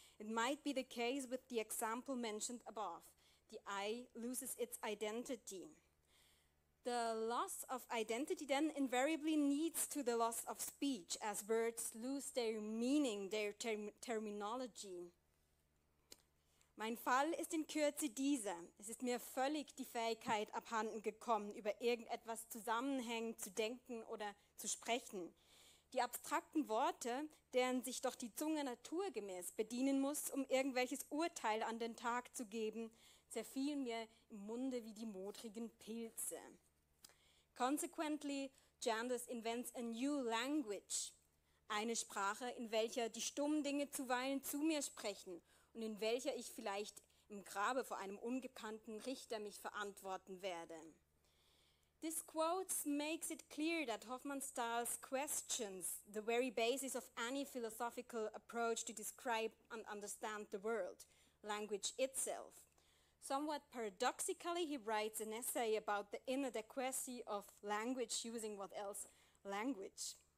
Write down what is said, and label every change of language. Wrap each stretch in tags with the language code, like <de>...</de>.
<en>It might be the case with the example mentioned above. The I loses its identity. The loss of identity then invariably leads to the loss of speech, as words lose their meaning, their terminology.</en> <de>Mein Fall ist in Kürze dieser. Es ist mir völlig die Fähigkeit abhanden gekommen, über irgendetwas zusammenhängend zu denken oder zu sprechen. Die abstrakten Worte, deren sich doch die Zunge naturgemäß bedienen muss, um irgendwelches Urteil an den Tag zu geben, zerfielen mir im Munde wie die modrigen Pilze.</de> <en>Consequently, Chandos invents a new language.</en> <de>Eine Sprache, in welcher die stummen Dinge zuweilen zu mir sprechen und in welcher ich vielleicht im Grabe vor einem ungekannten Richter mich verantworten werde.</de> <en>This quote makes it clear that Hofmannsthal's questions, the very basis of any philosophical approach to describe and understand the world, language itself. Somewhat paradoxically, he writes an essay about the inadequacy of language using what else? Language.</en>